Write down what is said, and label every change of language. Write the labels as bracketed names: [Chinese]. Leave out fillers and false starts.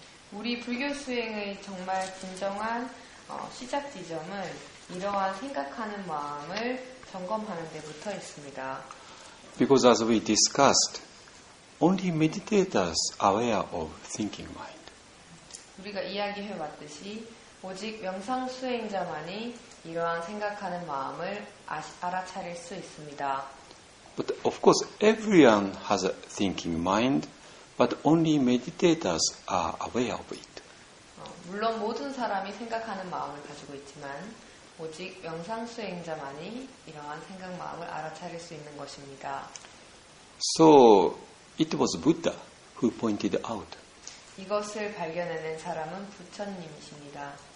[Korean] 우리 불교 수행의 정말 진정한 시작 지점은 이러한 생각하는 마음을 점검하는 데부터 있습니다. [English] Because as we discussed, only meditators are aware of thinking mind. [Korean] 우리가 이야기해 왔듯이 오직 명상 수행자만이 이러한 생각하는 마음을 알아차릴 수 있습니다. [English] But of course, everyone has a thinking mind, but only meditators are aware of it. [Korean] 물론 모든 사람이 생각하는 마음을 가지고 있지만, 오직 명상 수행자만이 이러한 생각 마음을 알아차릴 수 있는 것입니다. [English] So it was Buddha who pointed out. [Korean] 이것을 발견해낸 사람은 부처님이십니다.